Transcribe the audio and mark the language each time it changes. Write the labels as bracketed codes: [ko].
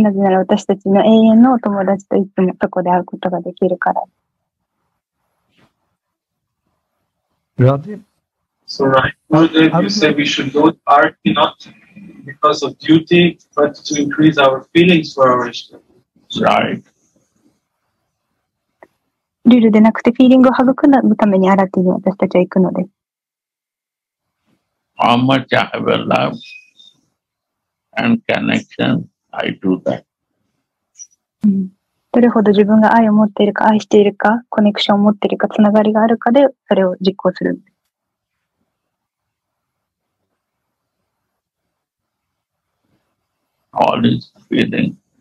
[ja] なぜなら私たちの永遠のお友達といつもそこで会うことができるから。 [en] Radhe. So, right. You say we should go to arti not because of duty, but to increase our feelings for our Ishta. Right. [ja] ルールでなくてフィーリングを育むためにアラティに私たちは行くので。 [en] How much I have a love and connection, I do that. [ja] どれほど自分が愛を持っているか、愛しているか、コネクションを持っているか、つながりがあるかで、それを実行する。 [en] All is feeling